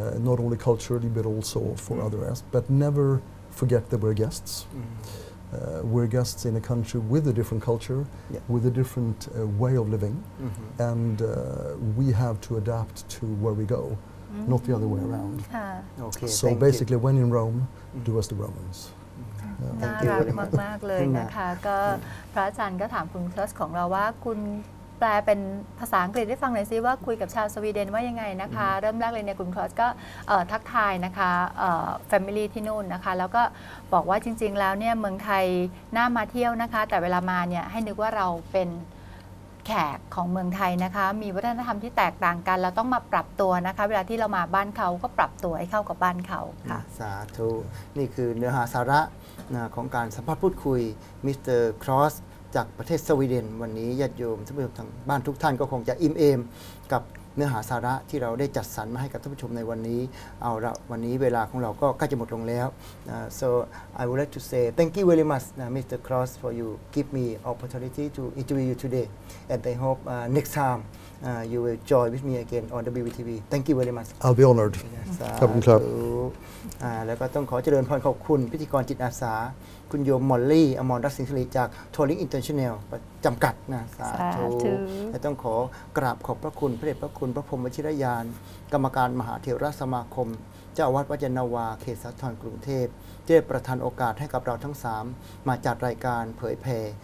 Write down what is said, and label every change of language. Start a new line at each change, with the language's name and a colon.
English: Not only culturally, but also for other aspects. But never forget that we're guests. We're guests in a country with a different culture, yeah. with a different way of living, mm-hmm. and we have to adapt to where we go, mm-hmm. not the other way around. Okay, so basically, when in Rome, do as the Romans. Mm-hmm. Yeah. Thank you.
Thai: น่ารักมากเลยนะคะก็พระอาจารย์ก็ถามคุณครอสของเราว่าคุณแปลเป็นภาษาอังกฤษได้ฟังหน่อยซิว่าคุยกับชาวสวีเดนว่ายังไงนะคะเริ่มแรกเลยเนี่ยคุณครอสก็ทักทายนะคะfamily ที่นู่นนะคะแล้วก็บอกว่าจริงๆแล้วเนี่ยเมืองไทยน่ามาเที่ยวนะคะแต่เวลามาเนี่ยให้นึกว่าเราเป็น แขกของเมืองไทยนะคะมีวัฒนธรรมที่แตกต่างกันเราต้องมาปรับตัวนะคะเวลาที่เรามาบ้านเขาก็ปรับตัวให้เข้ากับบ้านเขาค่ะ สาธุนี่คือเนื้อหาสาระของการสัมภาษณ์พูดคุยมิสเตอร์ครอสจากประเทศสวีเดนวันนี้ญาติโยมท่านผู้ชมทางบ้านทุกท่านก็คงจะอิ่มเอมกับเนื้อหาสาระที่เราได้จัดสรรมาให้กับท่านผู้ชมในวันนี้เอาละวันนี้เวลาของเราก็ใกล้จะหมดลงแล้ว
English: so I would like to say thank you very much Mr. Cross for you give me opportunity to interview you today and I hope next time you will join with me again on WBTV thank you very much I'll be honored
Thai: ขอบคุณครับแล้วก็ต้องขอเจริญพรขอบคุณพิธีกรจิตอาสาคุณโยมมอลลี่อมรรัตน์สิงห์สิริจากโทลิงอินเตอร์เนชั่นแนลจำกัดนะ สาธุ และต้องขอกราบขอบพระคุณพระเดชพระคุณพระพรหมวชิรญาณกรรมการมหาเถรสมาคมเจ้าอาวาสวัดยานาวาเขตสาธรกรุงเทพที่ได้ประทานโอกาสให้กับเราทั้ง3มาจัดรายการเผยแผ่